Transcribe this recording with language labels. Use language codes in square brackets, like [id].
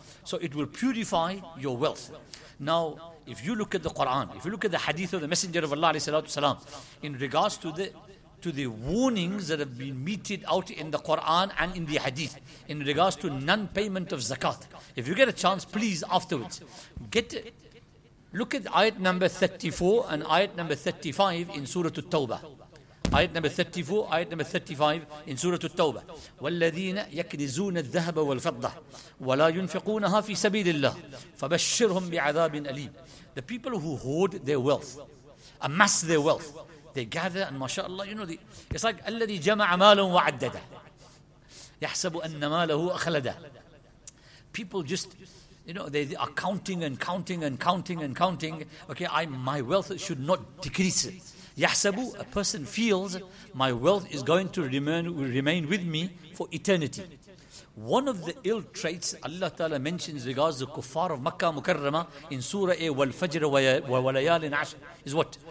[en] So it will purify your wealth. Now, if you look at the Quran, if you look at the hadith of the Messenger of Allah عليه الصلاة والسلام, in regards to the warnings that have been meted out in the Quran and in the hadith, in regards to non-payment of Zakat, if you get a chance, please afterwards, look at ayat number 34 and ayat number 35 in Surah At-Tawbah. Ayat number 34, ayat number 35 in Surah At-Tawbah. [ar] وَالَّذِينَ يَكْنِزُونَ الذَّهَبَ وَالْفَضَّةِ وَلَا يُنْفِقُونَهَا فِي سَبِيلِ اللَّهِ فَبَشِّرْهُمْ بِعَذَابٍ أَلِيمٍ. [en] The people who hoard their wealth, amass their wealth, they gather and mashallah, you know, it's like [ar] الَّذِي جَمَعَ مَالًا وَعَدَّدَهُ يَحْسَبُ أَنَّ مَالَهُ أَخْلَدَهُ. [en] People just, you know, they are counting and counting and counting and counting. Okay, my wealth should not decrease. Yahsabu, a person feels my wealth is going to remain with me for eternity. One of the ill traits Allah Ta'ala mentions regards the kuffar of Makkah Mukarrama in Surah A, wal fajr wa walayalin ashr, is what?